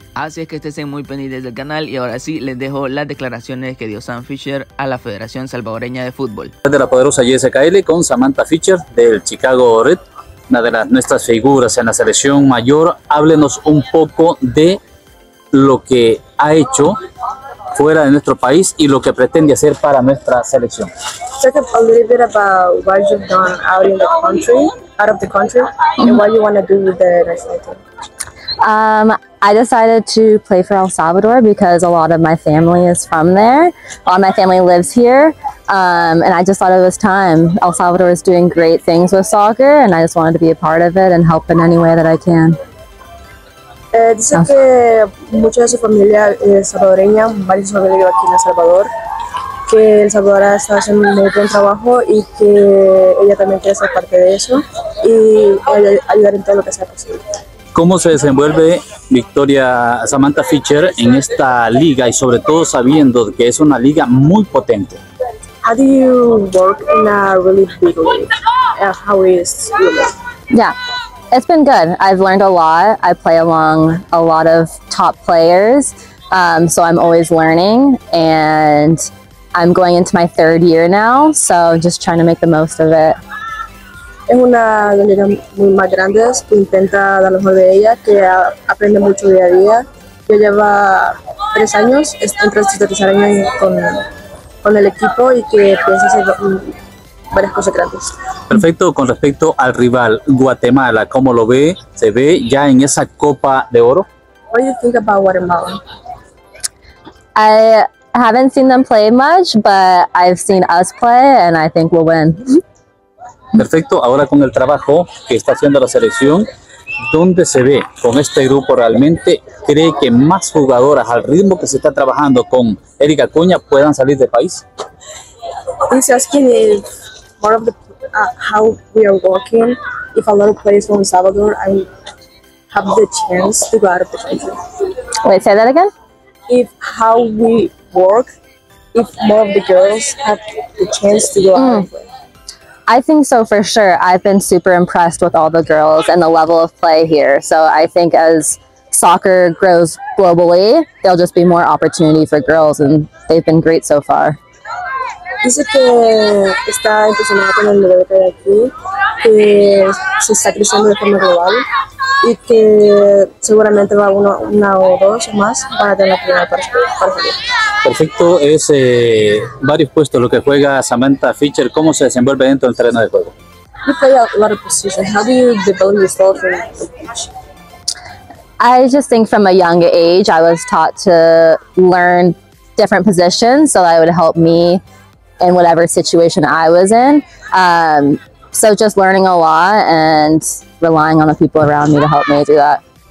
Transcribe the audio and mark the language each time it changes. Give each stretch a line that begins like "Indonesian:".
Spanish: Así es que estén muy pendientes del canal y ahora sí les dejo las declaraciones que dio Sam Fisher a la Federación Salvadoreña de Fútbol. De la poderosa YSKL con Samantha Fisher del Chicago Red, una de nuestras figuras en la selección mayor. Háblenos un poco de lo que ha hecho fuera de nuestro país y lo que pretende hacer para nuestra selección.
English: Talk a little bit about what you've done out in the country, out of the country, and what you want to do with the national team. I decided to play for El Salvador because a lot of my family is from there. A lot of my family lives here, and I just thought it was time. El Salvador is doing great things with soccer, and I just wanted to be a part of it and help in any way that I can.
Spanish: Dice que mucha de su familia es salvadoreña, varios de su familia aquí en El Salvador, que El Salvador está haciendo un muy buen trabajo y que ella también quiere ser parte de eso y ayudar en todo lo que sea posible. ¿Cómo se desenvuelve Victoria Samantha Fisher en esta liga y sobre todo sabiendo que es una liga muy potente?
English: How do you work in a really big league? How is it? Yeah. It's been good. I've learned a lot. I play along a lot of top players, so I'm always learning, and I'm going into my third year now, so just trying to make the most of it.
Spanish: Es una de las muy más grandes que intenta dar lo mejor de ella, que aprende mucho día a día. Yo llevo 3 años, entonces 3 años con el equipo y que pienso hacer varias cosas grandes. Perfecto, con respecto al rival Guatemala, ¿cómo lo ve? ¿Se ve ya en esa Copa de Oro?
English: What do you think about Guatemala? I haven't seen them play much, but I've seen us play and I think we'll win.
Spanish: Perfecto, ahora con el trabajo que está haciendo la selección, ¿dónde se ve con este grupo realmente? ¿Cree que más jugadoras al ritmo que se está trabajando con Erika Acuña puedan salir del país?
English: He's asking more of the how we are working. If a lot of players from El Salvador, I have the chance to go out of the country. Wait, say that again. If how we work, if more of the girls have the chance to go out of the country. I think so for sure. I've been super impressed with all the girls and the level of play here. So I think as soccer grows globally, there'll just be more opportunity for girls, and they've been great so far.
Spanish: dice que está impresionada con el nivel que hay aquí, que se está creciendo de forma global y que seguramente va una o dos o más para tener la primera para salir. Perfecto, es varios puestos lo que juega Samantha Fischer. ¿Cómo se desenvuelve dentro del terreno de juego?
English: You play a lot of positions. How do you develop yourself in the pitch? I just think from a young age, I was taught to learn different positions so that it would help me in whatever situation I was in. So just learning a lot and relying on the people around me to help me do that.